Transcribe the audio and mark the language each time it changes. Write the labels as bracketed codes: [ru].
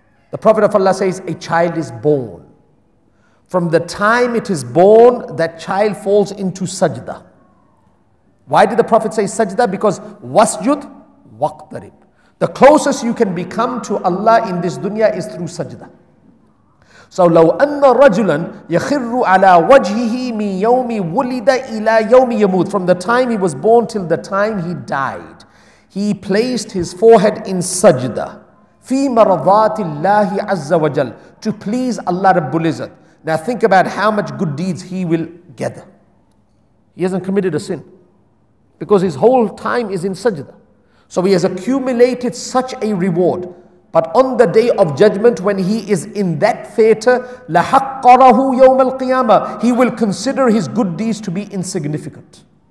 [en] The Prophet of Allah says, a child is born. From the time it is born, that child falls into sajda. Why did the Prophet say sajda? Because wasjud waqtarib. The closest you can become to Allah in this dunya is through sajda. [ar] So لو أن رجلا يخر على وجهه من يوم ولد إلى يوم يموت. [en] From the time he was born till the time he died, he placed his forehead in sajda. [ar] في مرضات الله عز وجل. [en] To please Allah Rabbul Izzat. Now think about how much good deeds he will gather. He hasn't committed a sin because his whole time is in sajda. So he has accumulated such a reward. But on the Day of Judgment, when he is in that theater, لَحَقَّرَهُ يَوْمَ الْقِيَامَةِ He will consider his good deeds to be insignificant.